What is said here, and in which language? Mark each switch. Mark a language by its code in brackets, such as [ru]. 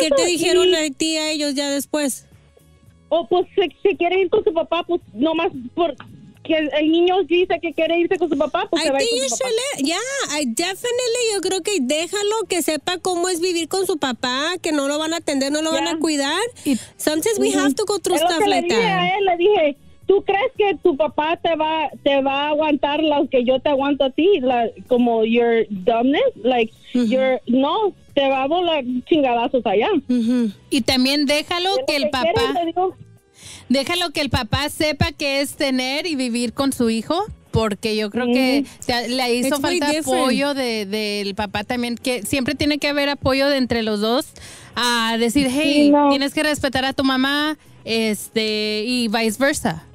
[es] ¿Qué te dijeron a ti a ellos ya después? Pues si quiere ir con su papá, pues nomás por... que el niño dice que quiere irse con su papá, pues se va con su papá. Yo creo que déjalo que sepa cómo es vivir con su papá, que no lo van a atender, no lo van a cuidar. [en] Sometimes we have to go through stuff like that. [es] Le dije a él, le dije, ¿tú crees que tu papá te va a aguantar lo que yo te aguanto a ti? Como [en] your dumbness, [es] no, te va a volar chingadazos allá. Y también déjalo que el papá... Déjalo que el papá sepa qué es tener y vivir con su hijo, porque yo creo que le hizo It's falta apoyo del papá también, que siempre tiene que haber apoyo de entre los dos a decir, hey, tienes que respetar a tu mamá, y viceversa.